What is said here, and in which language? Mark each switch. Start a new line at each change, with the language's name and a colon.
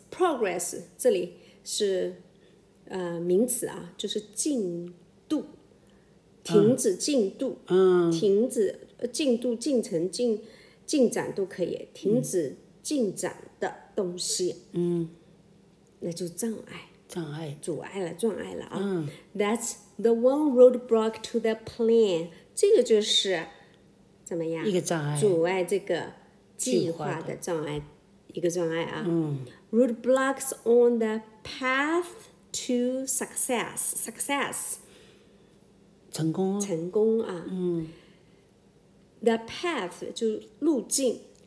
Chinese: progress 这里是名词啊，就是进度，停止进度。停止进度，进程进展都可以，停止进展的东西。那就障碍，障碍，阻碍了，障碍了啊。
English: That's the one roadblock to the plan，
Chinese: 这个就是怎么样一个障碍，阻碍这个计划的障碍一个障碍啊。
English: roadblocks on the path to success
Chinese: 成功，成功啊。 The path 就路径。